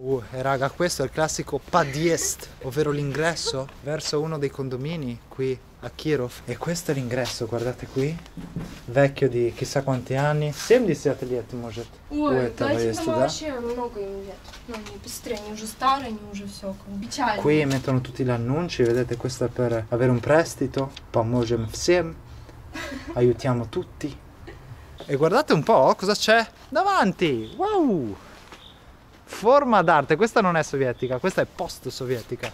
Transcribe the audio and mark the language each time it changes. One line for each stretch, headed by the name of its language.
Italian: Raga, questo è il classico Podyezd, ovvero l'ingresso verso uno dei condomini qui a Kirov. E questo è l'ingresso, guardate qui, vecchio di chissà quanti anni.
Russian: 77 лет, может. Ой, да, этому вообще много им лет. Ну, не быстрее, они уже старые, они уже все, печально.
Italian: Qui mettono tutti gli annunci, vedete, questo è per avere un prestito.
Russian: Поможем всем,
Italian: aiutiamo tutti. E guardate un po' cosa c'è davanti, wow! Forma d'arte, questa non è sovietica, questa è post-sovietica.